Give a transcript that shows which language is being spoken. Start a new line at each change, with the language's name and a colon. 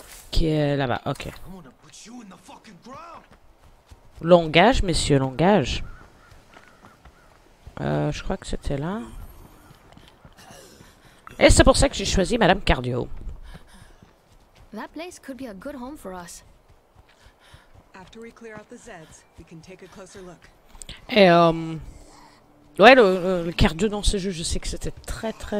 French: Qui est là-bas, ok. Langage, messieurs, langage. Je crois que c'était là. Et c'est pour ça que j'ai choisi Madame Cardio.
English: That place could be a good home for us. After we clear out the Zeds, we can take a closer look.
French: Et ouais, le cardio dans ce jeu, je sais que c'était très.